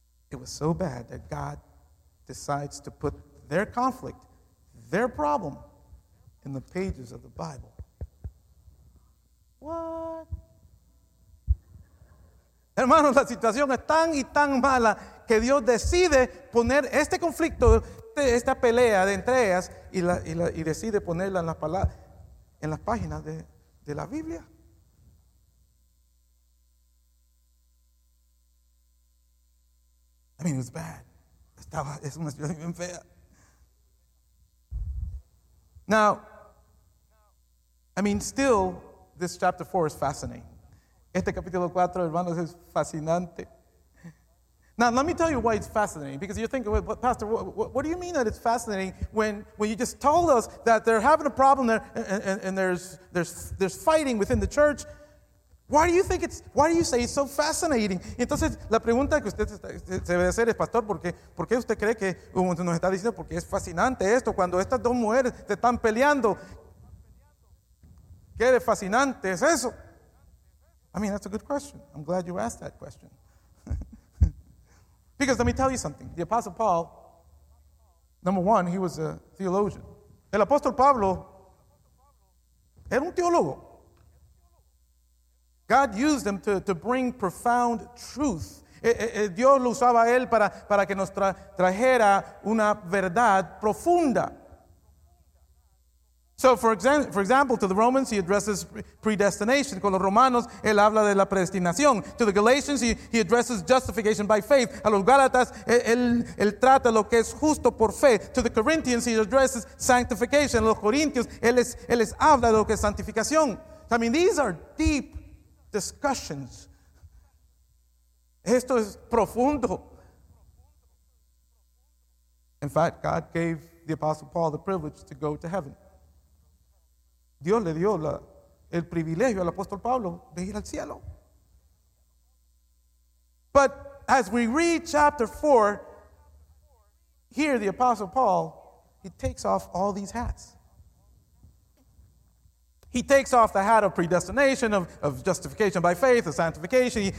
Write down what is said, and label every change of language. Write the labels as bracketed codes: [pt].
[en] It was so bad that God decides to put their conflict, their problem, in the pages of the Bible. What? [es] Hermanos, la situación es tan y tan mala que Dios decide poner este conflicto, esta pelea de entre ellas, y decide ponerla en las páginas de la Biblia. [en] I mean, it was bad. [es] Es una situación bien fea. [en] Now, I mean, still, this chapter 4 is fascinating. [es] Este capítulo 4, hermanos, es fascinante. [en] Now, let me tell you why it's fascinating. Because you're thinking, well, Pastor, what do you mean that it's fascinating when you just told us that they're having a problem there and there's fighting within the church? Why do you say it's so fascinating? [es] Entonces, la pregunta que usted se debe hacer es, Pastor, ¿por qué usted cree que nos está diciendo porque es fascinante esto cuando estas dos mujeres se están peleando? ¿Qué de fascinante es eso? [en] I mean, that's a good question. I'm glad you asked that question. Because let me tell you something. The Apostle Paul, number one, he was a theologian. [es] El apóstol Pablo era un teólogo. [en] God used him to bring profound truth. [es] Dios lo usaba a él para que nos trajera una verdad profunda. [en] So for example, to the Romans, he addresses predestination. [es] Con los Romanos, él habla de la predestinación. [en] To the Galatians, he addresses justification by faith. [es] A los Gálatas, él trata lo que es justo por fe. [en] To the Corinthians, he addresses sanctification. [es] A los Corintios, él les habla de lo que es santificación. [en] I mean, these are deep discussions. [es] Esto es profundo. [en] In fact, God gave the Apostle Paul the privilege to go to heaven. [es] Dios le dio el privilegio al apóstol Pablo de ir al cielo. [en] But as we read chapter 4, here the apostle Paul, he takes off all these hats. He takes off the hat of predestination, of justification by faith, of sanctification.